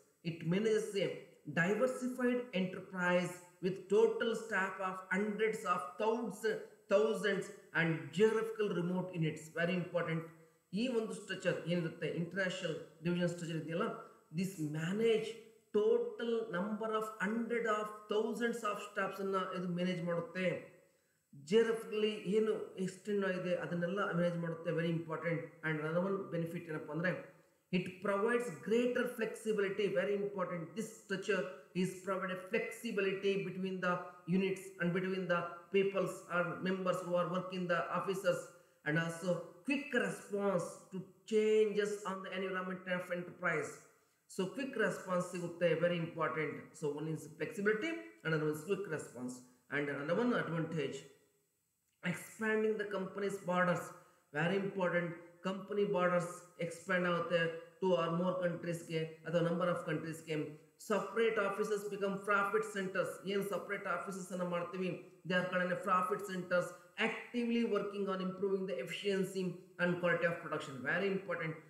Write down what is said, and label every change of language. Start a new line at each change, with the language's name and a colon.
English: It manages a diversified enterprise with total staff of hundreds of thousands and geographical remote units. Very important. Even the structure in the international division structure, this manage total number of hundreds of thousands of staffs in the management.
Kannada: Geographically ಏನು extend ಆಗಿದೆ ಅದನ್ನೆಲ್ಲ manage ಮಾಡುತ್ತೆ. Very important.
English: and another one benefit
Kannada: ಏನಪ್ಪ ಅಂದರೆ
English: It provides greater flexibility. Very important. This structure is provide a flexibility between the units and between the peoples are members who are work in the officers and also quick response to changes on the environment of enterprise. So quick response
Kannada: ಸಿಗುತ್ತೆ.
English: Very important. So one is flexibility, and
Kannada: ಅದರ ಒಂದು
English: Quick response. And another one advantage, expanding the company's borders. Very important. Company borders expand out there to or more countries ke or number of countries ke. Separate offices become profit centers. Yen separate offices
Kannada: ana martivi,
English: they are called as profit centers, actively working on improving the efficiency and quality of production. Very important.